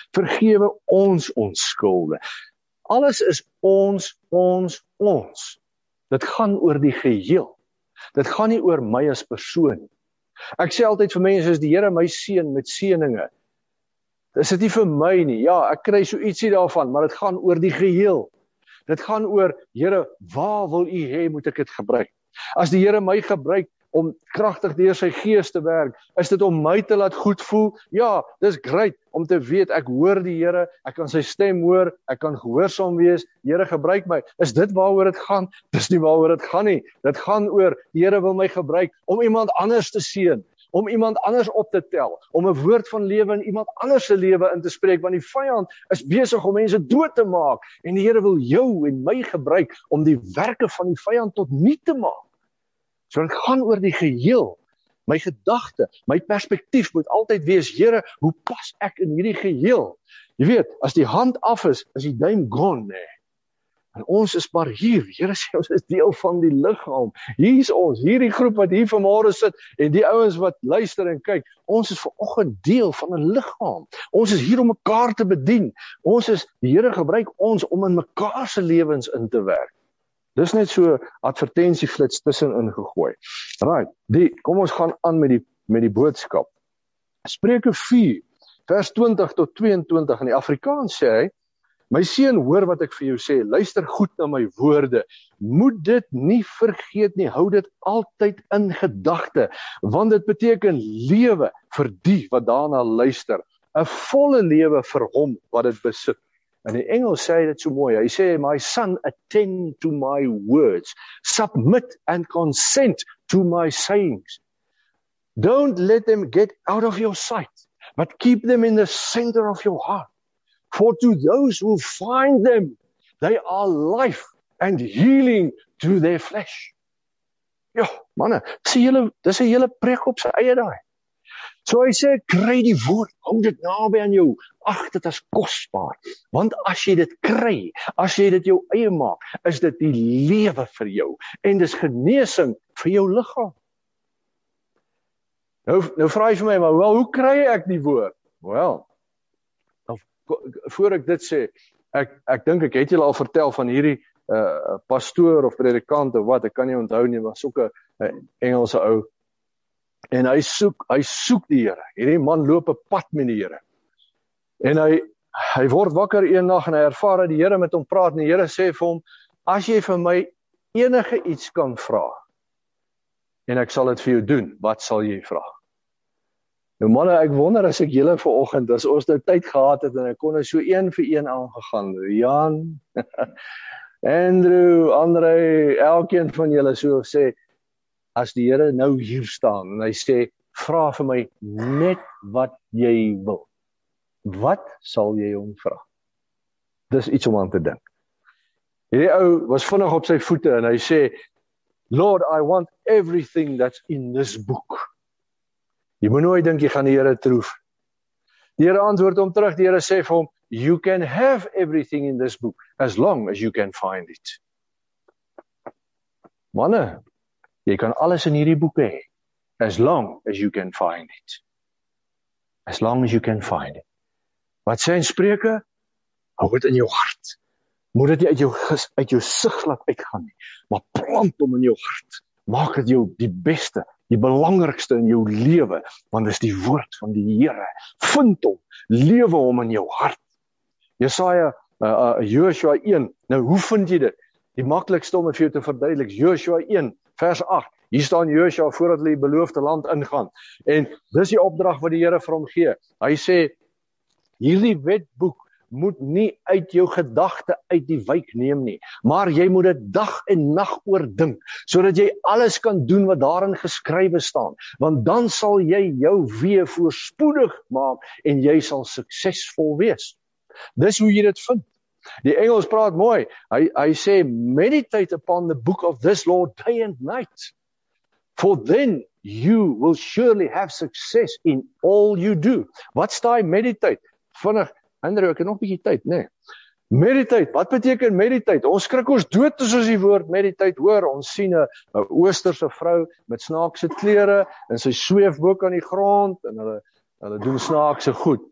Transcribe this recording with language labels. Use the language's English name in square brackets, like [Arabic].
[Afrikaans] Vergewe ons ons skulde. Alles is ons, ons, ons. Dit gaan oor die geheel. Dit gaan nie oor my as persoon. Ek sê altyd vir mense, as die Here my seën met seëninge, dis dit nie vir my nie. Ja, ek kry so ietsie daarvan, maar dit gaan oor die geheel. Dit gaan oor, Here, waar wil u hê, moet ek dit gebruik? As die Here my gebruik om kragtig deur sy gees te werk, is dit om my te laat goed voel? Ja, dis great om te weet, ek hoor die Here, ek kan sy stem hoor, ek kan gehoorsaam wees, Here gebruik my. Is dit waaroor dit gaan? Dis nie waaroor dit gaan nie. Dit gaan oor, die Here wil my gebruik om iemand anders te seën, om iemand anders op te tel, om 'n woord van lewe in iemand anders se lewe in te spreek, want die vyand is besig om mense dood te maak, en die Here wil jou en my gebruik om die werke van die vyand tot nie te maak. So ek gaan oor die geheel, my gedagte, my perspektief moet altyd wees, Here, hoe pas ek in hierdie geheel? Jy weet, as die hand af is, is die duim gone, nee. En ons is maar hier, Here sê ons is deel van die liggaam. Hier is ons, hierdie groep wat hier vanmôre sit en die ouens wat luister en kyk, ons is vanoggend deel van 'n liggaam. Ons is hier om mekaar te bedien. Ons is, die Here gebruik ons om in mekaar se lewens in te werk. Dis net so advertensieflits tussenin gegooi. Right, kom ons gaan aan met die boodskap. Spreuke 4 vers 20 tot 22 in die Afrikaans sê hy: My seun, hoor wat ek vir jou sê, luister goed na my woorde. Moet dit nie vergeet nie, hou dit altyd in gedagte, want dit beteken lewe vir die wat daarna luister, 'n volle lewe vir hom wat dit besit. En die Engels sê dit so mooi, hy sê, [English] my son, attend to my words, submit and consent to my sayings. Don't let them get out of your sight, but keep them in the center of your heart. For to those who find them, they are life and healing to their flesh. [Afrikaans] Ja, manne, dis 'n hele preek op sy eie daai. So hy sê, kry die woord, hou dit naby aan jou. Ag, dit is kosbaar. Want as jy dit kry, as jy dit jou eie maak, is dit die lewe vir jou. En dis genesing vir jou liggaam. Nou vra jy vir my, maar hoe kry ek die woord? Wel, voor ek dit sê, ek dink ek het julle al vertel van hierdie pastoor of predikant of wat, ek kan nie onthou nie, maar soek 'n Engelse ou. En hy soek die Here. Hierdie man loop 'n pad met die Here. En hy word wakker een nag en hy ervaar dat die Here met hom praat. En die Here sê vir hom, as jy vir my enige iets kan vra, en ek sal dit vir jou doen, wat sal jy vra? Nou manne, ek wonder as ek julle vanoggend, as ons nou tyd gehad het, en ek kon so een vir een aangegaan. Jan, Andrew, Andre, elkeen van julle so sê, as die Here nou hier staan en hy sê, vra vir my net wat jy wil, wat sal jy hom vra? Dis iets om aan te dink. Hierdie ou was vinnig op sy voete en hy sê, [English] Lord, I want everything that's in this book. [Afrikaans] Jy moet nooit dink jy gaan die Here troef. Die Here antwoord hom terug, die Here sê vir hom, [English] you can have everything in this book, as long as you can find it. [Afrikaans] Manne, jy kan alles in hierdie boek hê, [English] as long as you can find it. As long as you can find it. [Afrikaans] Wat sê in Spreuke? Hou dit in jou hart. Moet dit nie uit jou sig laat uitgaan nie, maar plant hom in jou hart. Maak dit jou die beste, die belangrikste in jou lewe, want dis die woord van die Here. Vind hom, lewe hom in jou hart. Jesaja, Joshua 1. Nou hoe vind jy dit? Die maklikste om vir jou te verduidelik, Joshua 1 vers 8. Hier staan Joshua voordat hy die beloofde land ingaan. En dis die opdrag wat die Here vir hom gee. Hy sê, hierdie wetboek moet nie uit jou gedagte uit die wijk neem nie, maar jy moet dit dag en nag oor dink, sodat jy alles kan doen wat daarin geskrywe staan, want dan sal jy jou weë voorspoedig maak en jy sal suksesvol wees. Dis hoe jy dit vind. Die Engels praat mooi. Hy sê, [English] meditate upon the book of this law day and night. For then you will surely have success in all you do. [Afrikaans] Wat sta hy meditate? Vinnig, Andrew, ek het nog 'n bietjie tyd, nee. Meditate, wat beteken meditate? Ons skrik ons dood as ons die woord meditate hoor. Ons sien 'n oosterse vrou met snaakse klere en sy sweef bo aan die grond en hulle doen snaakse goed.